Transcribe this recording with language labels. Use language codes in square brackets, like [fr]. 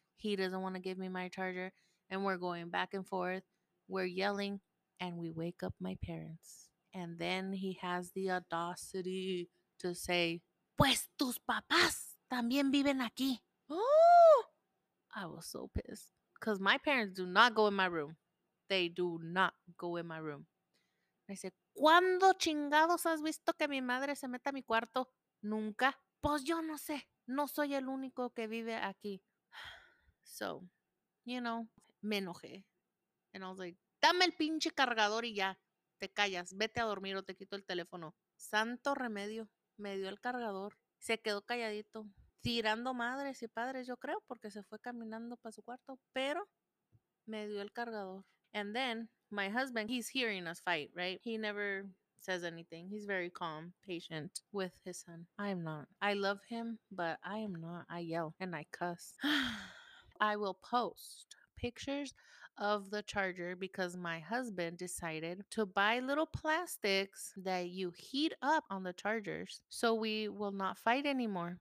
[en] He doesn't want to give me my charger. And we're going back and forth. We're yelling. And we wake up my parents. And then he has the audacity to say, [es] pues tus papás también viven aquí. [en] Oh, I was so pissed. Because my parents do not go in my room. They do not go in my room. I said, [es] ¿cuándo chingados has visto que mi madre se meta a mi cuarto? Nunca. Pues yo no sé. No soy el único que vive aquí. [en] So, you know, [es] me enojé. [en] And I was like, [es] dame el pinche cargador y ya. Te callas, vete a dormir o te quito el teléfono. Santo remedio. Me dio el cargador. Se quedó calladito. Tirando madres y padres, yo creo, porque se fue caminando para su cuarto. Pero me dio el cargador. [en] And then, my husband, he's hearing us fight, right? He never says anything. He's very calm, patient with his son. I'm not. I love him, but I am not. I yell and I cuss. I will post pictures of the charger because my husband decided to buy little plastics that you heat up on the chargers so we will not fight anymore.